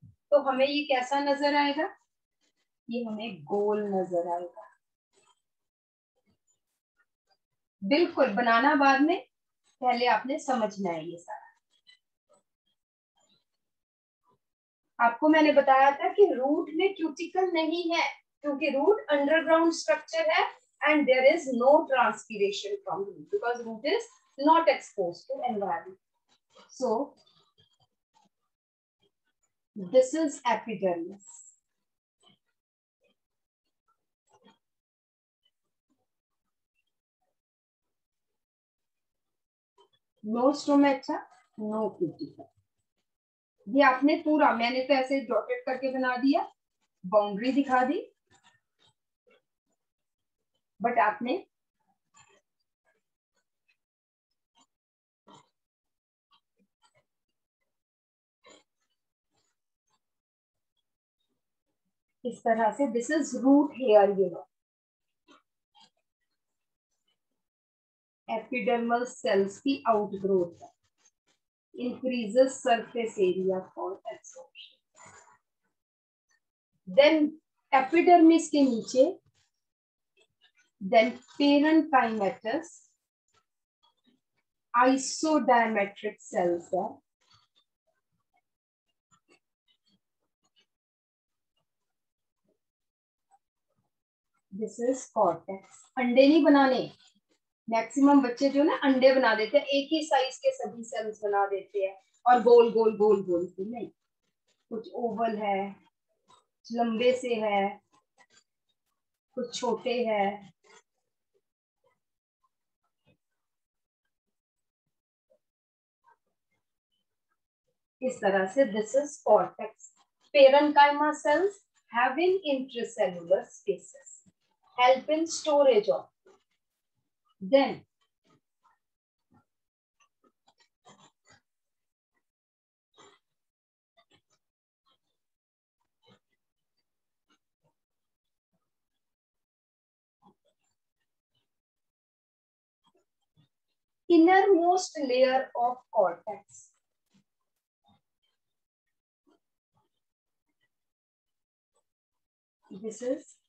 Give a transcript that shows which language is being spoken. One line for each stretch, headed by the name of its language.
Hindi: तो हमें ये कैसा नजर आएगा? ये हमें गोल नजर आएगा, बिल्कुल. बनाना बाद में, पहले आपने समझना है ये सारा. आपको मैंने बताया था कि रूट में क्यूटिकल नहीं है, क्योंकि रूट अंडरग्राउंड स्ट्रक्चर है.
English: And there is no transpiration from root because root is not exposed to environment. So this is epidermis. No stomata, no cuticle.
Hindi: ये आपने पूरा, मैंने तो ऐसे dotted करके बना दिया, boundary दिखा दी, बट आपने इस तरह से,
English: This is root hair, you know epidermal cells की outgrowth है, increases surface area for absorption. Then epidermis
Hindi: के नीचे
English: then parenchymatous isodiametric cells are this is cortex.
Hindi: अंडे नहीं बनाने, मैक्सिमम बच्चे जो ना अंडे बना देते हैं, एक ही साइज के सभी सेल्स बना देते हैं और गोल गोल गोल गोल से, नहीं, कुछ ओवल है, कुछ लंबे से है, कुछ छोटे है. इस तरह से
English: This is cortex. Parenchyma cells have in intracellular spaces, help in storage of. Then inner most layer of cortex, this is